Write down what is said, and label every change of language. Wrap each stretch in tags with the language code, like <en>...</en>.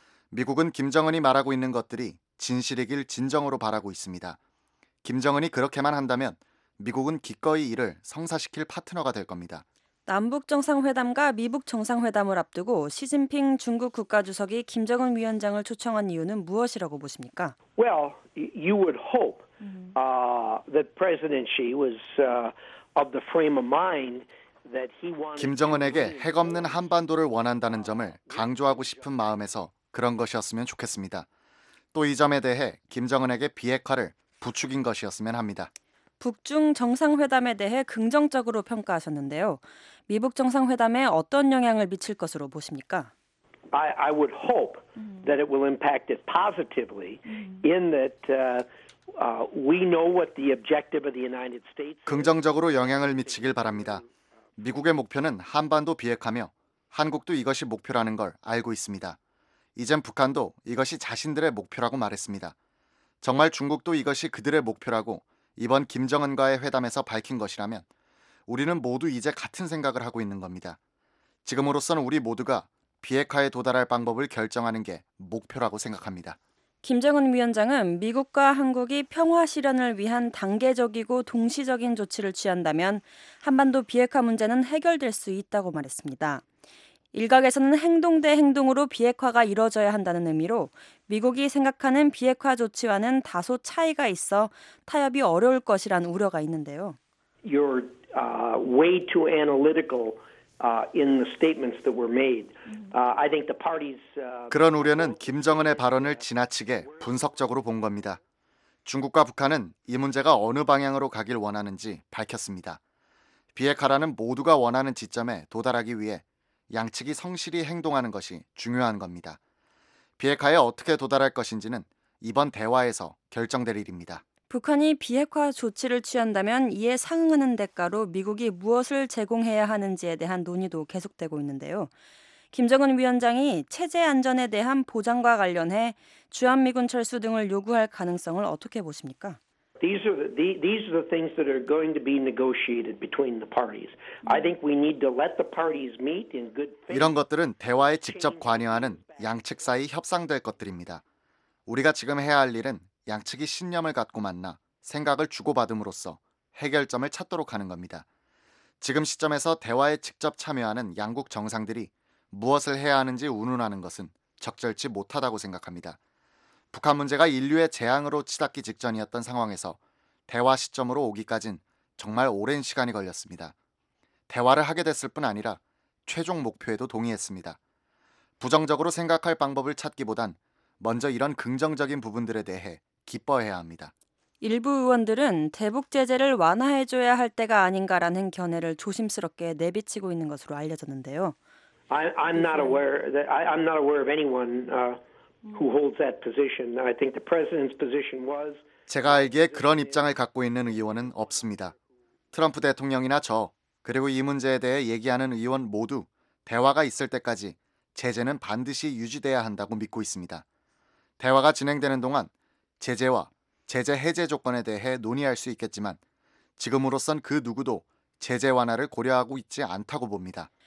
<ko>미국은 김정은이 말하고 있는 것들이 진실이길 진정으로 바라고 있습니다. 김정은이 그렇게만 한다면 미국은 기꺼이 이를 성사시킬 파트너가 될 겁니다. 남북정상회담과 미북정상회담을 앞두고 시진핑 중국 국가주석이 김정은 위원장을 초청한 이유는 무엇이라고 보십니까?</ko> <en>Well, you would hope that President Xi was of the frame of mind that he wanted.</en> <ko>김정은에게 핵 없는 한반도를 원한다는 점을 강조하고 싶은 마음에서 그런 것이었으면 좋겠습니다. 또 이 점에 대해 김정은에게 비핵화를 부추긴 것이었으면 합니다. 북중 정상회담에 대해 긍정적으로 평가하셨는데요. 미북 정상회담에 어떤 영향을 미칠 것으로 보십니까?</ko> <en>I would hope that it will impact it positively in that we know what the objective of the United States is.</en> <ko>긍정적으로 영향을 미치길 바랍니다. 미국의 목표는 한반도 비핵화며 한국도 이것이 목표라는 걸 알고 있습니다. 이젠 북한도 이것이 자신들의 목표라고 말했습니다. 정말 중국도 이것이 그들의 목표라고 이번 김정은과의 회담에서 밝힌 것이라면 우리는 모두 이제 같은 생각을 하고 있는 겁니다. 지금으로서는 우리 모두가 비핵화에 도달할 방법을 결정하는 게 목표라고 생각합니다. 김정은 위원장은 미국과 한국이 평화 실현을 위한 단계적이고 동시적인 조치를 취한다면 한반도 비핵화 문제는 해결될 수 있다고 말했습니다. 일각에서는 행동 대 행동으로 비핵화가 이뤄져야 한다는 의미로 미국이 생각하는 비핵화 조치와는 다소 차이가 있어 타협이 어려울 것이란 우려가 있는데요.</ko> <en>You're way too analytical in the statements that were made. I think the parties</en> <ko>그런 우려는 김정은의 발언을 지나치게 분석적으로 본 겁니다. 중국과 북한은 이 문제가 어느 방향으로 가길 원하는지 밝혔습니다. 비핵화라는 모두가 원하는 지점에 도달하기 위해 양측이 성실히 행동하는 것이 중요한 겁니다. 비핵화에 어떻게 도달할 것인지는 이번 대화에서 결정될 일입니다. 북한이 비핵화 조치를 취한다면 이에 상응하는 대가로 미국이 무엇을 제공해야 하는지에 대한 논의도 계속되고 있는데요. 김정은 위원장이 체제 안전에 대한 보장과 관련해 주한미군 철수 등을 요구할 가능성을 어떻게 보십니까?</ko> <en>These are the things that are going to be negotiated between the parties. I think we need to let the parties meet in good faith.</en> <ko>이런 것들은 대화에 직접 관여하는 양측 사이 협상될 것들입니다. 우리가 지금 해야 할 일은 양측이 신념을 갖고 만나 생각을 주고받음으로써 해결점을 찾도록 하는 겁니다. 지금 시점에서 대화에 직접 참여하는 양국 정상들이 무엇을 해야 하는지 운운하는 것은 적절치 못하다고 생각합니다. 북한 문제가 인류의 재앙으로 치닫기 직전이었던 상황에서 대화 시점으로 오기까지는 정말 오랜 시간이 걸렸습니다. 대화를 하게 됐을 뿐 아니라 최종 목표에도 동의했습니다. 부정적으로 생각할 방법을 찾기보단 먼저 이런 긍정적인 부분들에 대해 기뻐해야 합니다. 일부 의원들은 대북 제재를 완화해줘야 할 때가 아닌가라는 견해를 조심스럽게 내비치고 있는 것으로 알려졌는데요.</ko> <en>I'm not aware of anyone who holds that position. I think the president's position was</en> <ko>제가 알기에 그런 입장을 갖고 있는 의원은 없습니다. 트럼프 대통령이나 저 그리고 이 문제에 대해 얘기하는 의원 모두 대화가 있을 때까지 제재는 반드시 유지돼야 한다고 믿고 있습니다. 대화가 진행되는 동안 제재와 제재 해제 조건에 대해 논의할 수 있겠지만 지금으로선 그 누구도 제재 완화를 고려하고 있지 않다고 봅니다.</ko>